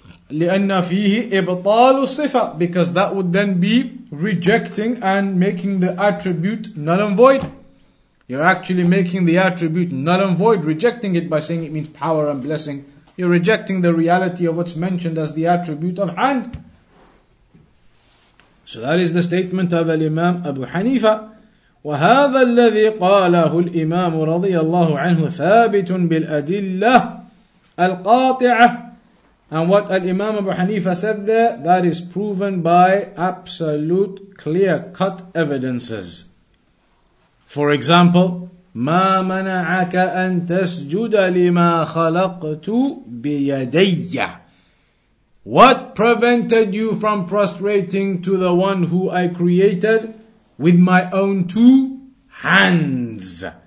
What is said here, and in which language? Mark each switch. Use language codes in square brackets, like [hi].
[ar] لِأَنَّ فِيهِ إِبْطَالُ الصِّفَةِ [en] Because that would then be rejecting and making the attribute null and void. You're actually making the attribute null and void, rejecting it by saying it means power and blessing. You're rejecting the reality of what's mentioned as the attribute of hand. So that is the statement of Al-Imam Abu Hanifa. [ar] وهذا الذي قاله الإمام رضي الله عنه ثابت بالأدلة القاطعة. [en] And what Al-Imam Abu Hanifa said there, that is proven by absolute clear-cut evidences. For example, [ar] ما منعك أن تسجد لما خلقت بيدي. [en] What prevented you from prostrating to the one who I created with my own two hands?